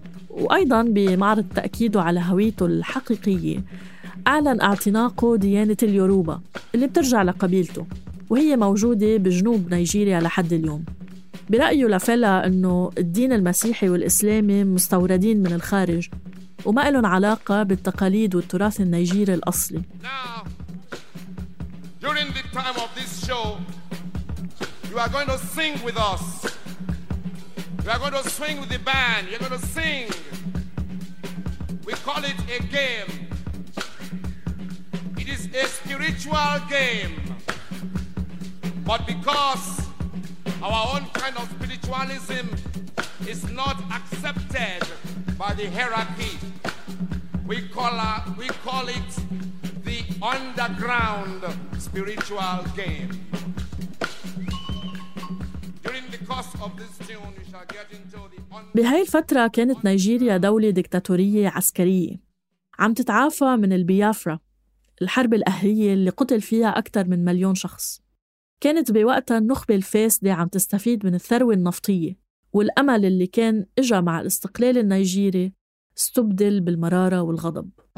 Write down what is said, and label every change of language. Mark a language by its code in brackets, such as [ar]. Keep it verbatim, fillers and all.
[ar] وأيضاً بمعرض تأكيده على هويته الحقيقية، أعلن اعتناقه ديانة اليوروبا اللي بترجع لقبيلته، وهي موجودة بجنوب نيجيريا لحد اليوم. برأيه لفلا أنه الدين المسيحي والإسلامي مستوردين من الخارج وما إلهم علاقة بالتقاليد والتراث النيجيري الأصلي. [en] Now, during the time of this show, you are going to sing with us. You are going to swing with the band. You are going to sing. We call it a game. It is a spiritual game. But because our own kind of spiritualism is not accepted by the hierarchy. We call, our, we call it the underground spiritual game. During the course of this tune, you shall get into the underground. [ar] بهاي الفترة كانت نيجيريا دولة ديكتاتورية عسكرية عم تتعافى من البيافرا، الحرب الأهلية اللي قتل فيها أكثر من مليون شخص. كانت بوقتها النخبة الفاسدة عم تستفيد من الثروة النفطية، والأمل اللي كان إجا مع الاستقلال النيجيري استبدل بالمرارة والغضب.